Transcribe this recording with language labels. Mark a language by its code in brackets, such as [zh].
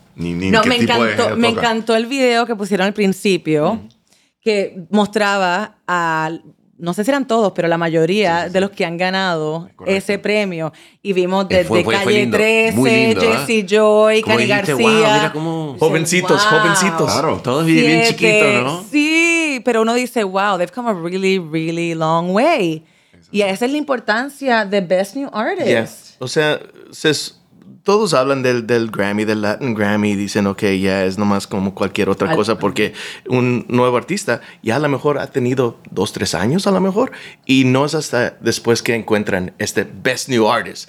[es] Me encantó el video que pusieron al principio, que mostraba a, no sé si eran todos, pero la mayoría de los que han ganado ese premio. Y vimos desde Calle 13, Jesse Joy, Cani García. Wow, mira cómo, jovencitos, wow. Jovencitos. Claro, todos bien, bien chiquitos, ¿no? Sí, pero uno dice, [en] wow, they've come a really, really long way. [es] Y esa es la importancia de Best New Artist. [en] Yes. [es] O sea, todos hablan del Grammy, del Latin Grammy, y dicen, ok, ya es nomás como cualquier otra cosa, porque un nuevo artista ya a lo mejor ha tenido 2-3 años, a lo mejor, y no es hasta después que encuentran este Best New Artist.